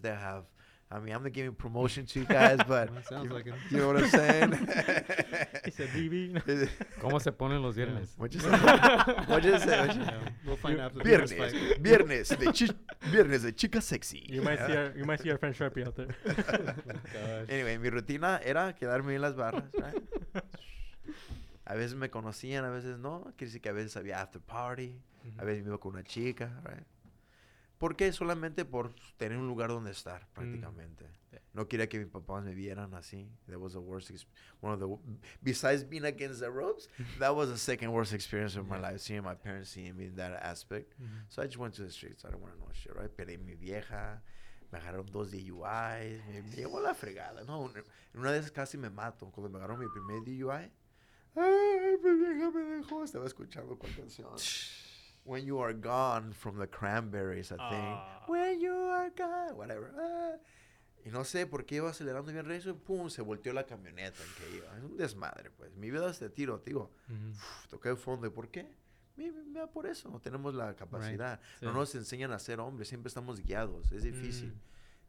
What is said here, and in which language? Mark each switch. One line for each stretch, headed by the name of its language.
English: They have, I mean, I'm not giving promotion to you guys, but you know what I'm saying? He said, BB.
Spanish: ¿Cómo se ponen los viernes?
English: What you say? What you say? We'll find out.
Spanish: Viernes. Viernes. Viernes de chica sexy.
English: You might see our friend Sharpie out there. Gosh. Anyway,
Spanish: mi rutina era quedarme en las barras, right? A veces me conocían, a veces no. Quiere decir que a veces había after party. Mm-hmm. A veces me iba con una chica, right? ¿Por qué? Solamente por tener un lugar donde estar, prácticamente. No quería que mis papás me vieran así.
English: That was the worst experience. Besides being against the ropes, that was the second worst experience of my life, seeing my parents, seeing me in that aspect. Mm-hmm. So I just went to the streets. I don't want to know shit, right?
Spanish: Perdí mi vieja. Me agarraron 2 DUIs. Me llevo la fregada. No, una de esas casi me mato. Cuando me agarraron mi primer DUI, ¡ay, mi vieja me dejó! Estaba escuchando con atención.
English: When you are gone from the cranberries, I think. When you are gone, whatever.
Spanish: Y no sé por qué iba acelerando bien recio. Pum, se volteó la camioneta en que iba. Es un desmadre, pues. Mi vida es de tiro, tío. Mm-hmm. Toqué el fondo. ¿Y por qué? Mira, por eso. No tenemos la capacidad. Right. No nos enseñan a ser hombres. Siempre estamos guiados. Es difícil. Mm-hmm.